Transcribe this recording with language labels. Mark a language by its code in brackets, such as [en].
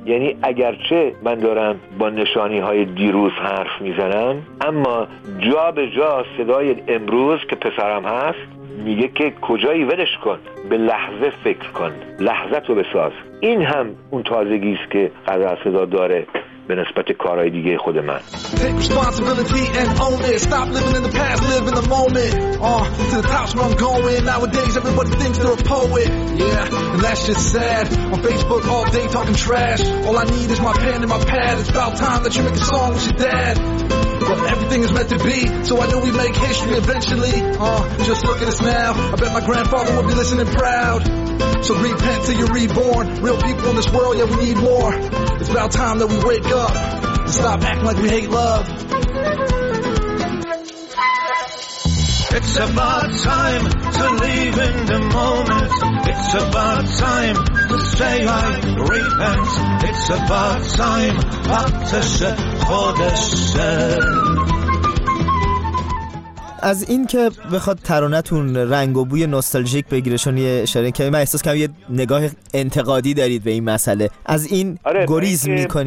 [fa] یعنی اگرچه من دارم با نشانی های دیروز حرف میزنم، اما جا به جا صدای امروز که پسرم هست میگه که کجایی ولش کن، به لحظه فکر کن، لحظه تو بساز. این هم اون تازگی است که غزل صدا داره به نسبت کارهای دیگه خود من. [en] Take responsibility and own it. Stop living in the past, live in the moment. To the top's where I'm going. Nowadays everybody thinks they're a poet. Yeah, and that's just sad. On Facebook all day talking trash. All I need is my pen and my pad. It's about time that you make a song with your dad. But everything is meant to be, so I know we make history eventually. Just look at us now. I bet my grandfather would be listening proud. So repent till you're reborn. Real people in this world, yeah, we need more. It's about time that we wake up and stop acting like we hate love. It's about time to live in the moment. It's about time to say I repent. It's about time to say for the sin. [fa] از این که بخواد ترانه‌تون رنگ و بوی نوستالژیک بگیره، چون یه اشاره کردم، من احساس کردم یه نگاه انتقادی دارید به این مسئله، از این آره گریز میکنید؟